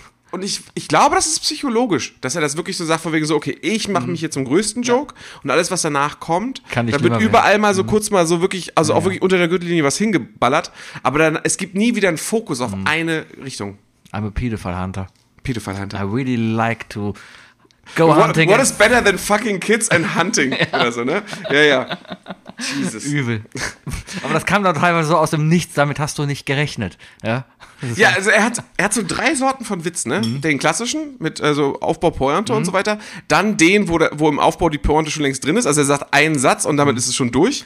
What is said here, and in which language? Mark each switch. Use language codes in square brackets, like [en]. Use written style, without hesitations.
[de] Und ich glaube, das ist psychologisch, dass er das wirklich so sagt, von wegen so, okay, ich mache mich hier zum größten Joke und alles, was danach kommt, da wird überall mal so kurz mal so wirklich, also auch wirklich unter der Gürtellinie was hingeballert, aber dann, es gibt nie wieder einen Fokus auf eine Richtung. [en] I'm a pedophile hunter. Pedophile hunter. I really like to go hunting. What is better than fucking kids and hunting? [de] Oder so, ne? Ja. Jesus. Übel. Aber das kam dann teilweise so aus dem Nichts, damit hast du nicht gerechnet, ja? Ja, also er hat so drei Sorten von Witz, ne? Den klassischen mit also Aufbau, Pointe und so weiter. Dann den, wo im Aufbau die Pointe schon längst drin ist. Also er sagt einen Satz und damit ist es schon durch.